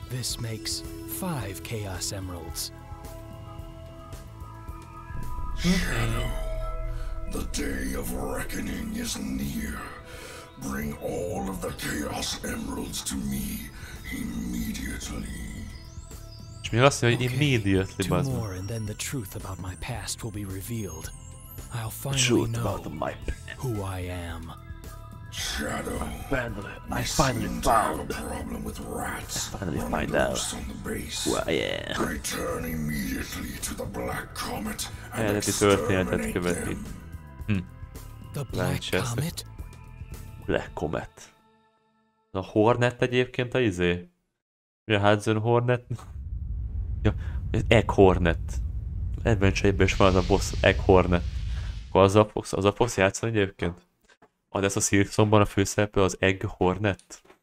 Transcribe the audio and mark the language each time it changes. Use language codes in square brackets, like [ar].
[en] This makes 5 Chaos Emeralds. Shadow, the day of reckoning is near. Bring all of the Chaos Emeralds to me immediately. [hu] És mi azt mondja, hogy immediately, bazd meg. [en] Two more and then the truth about my past will be revealed. I'll finally know who I am. Shadow, I finally found the problem with rats. I finally find out who I am. Return immediately to the Black Comet and exterminate them. The Black Comet? Black Comet. [hu] A Hornet egyébként a izé? A Hudson Hornet? Ja, Egg Hornet. Adventure-ben is van az a boss, Egg Hornet. Akkor az a fogsz játszani egyébként? Az lesz a Silksonban a főszereplő az Egg Hornet?